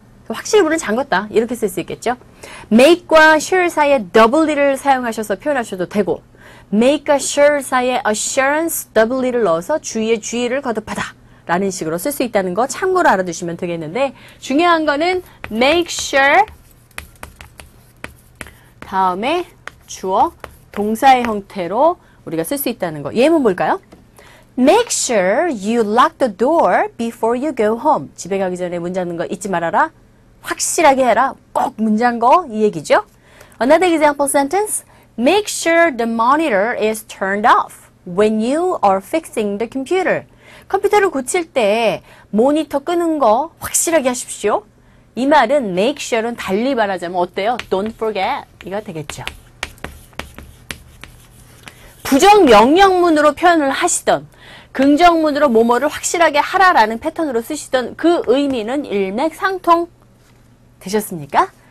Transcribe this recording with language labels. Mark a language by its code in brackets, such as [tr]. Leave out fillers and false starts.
[ko] 확실히 문을 잠궜다. 이렇게 쓸 수 있겠죠. make과 sure 사이에 doubly를 사용하셔서 표현하셔도 되고 make과 sure 사이에 assurance doubly를 넣어서 주의의 주의를 거듭하다. 라는 식으로 쓸 수 있다는 거 참고로 알아두시면 되겠는데 중요한 거는 make sure 다음에 주어 동사의 형태로 우리가 쓸 수 있다는 거 예문 볼까요? [en] Make sure you lock the door before you go home. [ko] 집에 가기 전에 문 잠는 거 잊지 말아라. 확실하게 해라. 꼭 문 잠궈 이 얘기죠. [en] Another example sentence. Make sure the monitor is turned off when you are fixing the computer. [ko] 컴퓨터를 고칠 때 모니터 끄는 거 확실하게 하십시오. 이 말은 make sure는 달리 말하자면 어때요? [en] Don't forget [ko] 이거 되겠죠. 부정 명령문으로 표현을 하시던 긍정문으로 뭐뭐를 확실하게 하라라는 패턴으로 쓰시던 그 의미는 일맥상통 되셨습니까?